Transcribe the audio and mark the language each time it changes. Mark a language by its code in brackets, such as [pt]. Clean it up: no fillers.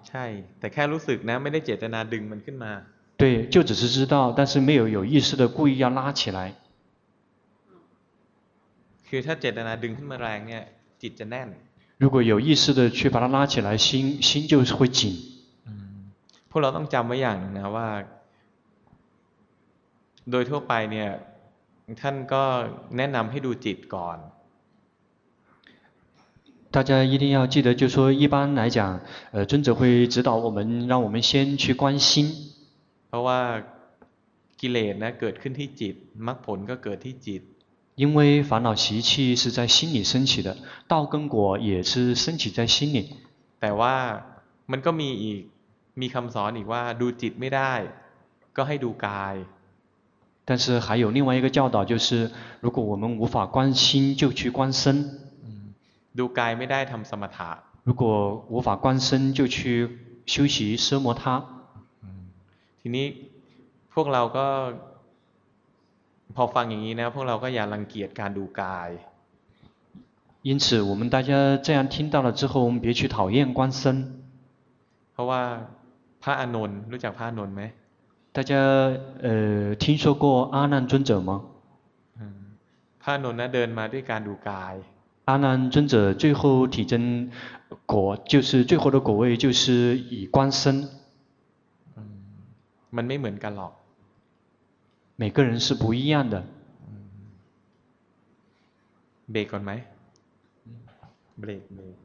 [th] ใช่แต่แค่รู้สึกนะไม่ได้เจตนาดึงมันขึ้นมา [zh] 对就只是知道但是没有有意识的故意要拉起来 [th] คือถ้าเจตนาดึงขึ้นมาแรงเนี่ยจิตจะแน่น [zh] 如果有意识的去把它拉起来心就会紧 [th] พวกเราต้องจำไว้อย่างนะว่าโดยทั่วไปเนี่ยท่านก็แนะนำให้ดูจิตก่อน [zh] 大家一定要记得就说一般来讲尊者会指导我们让我们先去观心 [th] เพราะว่ากิเลสนะเกิดขึ้นที่จิตมรรคผลก็เกิดที่จิต [zh] 因为烦恼习气是在心里升起的，道根果也是升起在心里。 [th] แต่ว่ามันก็มีอีกมีคำสอนอีกว่าดูจิตไม่ได้ก็ให้ดูกาย。 [zh] 但是还有另外一个教导，就是如果我们无法观心，就去观身。 [th] ดูกายไม่ได้ทำสมถะ。 [zh] 如果无法观身，就去修习奢摩他。 [th] ทีนี้พวกเราก็พอฟังอย่างนี้นะพวกเราก็อย่ารังเกียจการดูกาย [zh] 因此我们大家这样听到了之后我们别去讨厌观身 [th] เพราะว่าพระอานนท์รู้จักพระอานนท์ไหม [zh] 大家听说过阿难尊者吗 [th] พระอานนท์นะเดินมาด้วยการดูกาย [zh] 阿难尊者最后体证果就是最后的果位就是以观身 [th] มันไม่เหมือนกันหรอก [zh] 每个人是不一样的。 break 过没？break 没？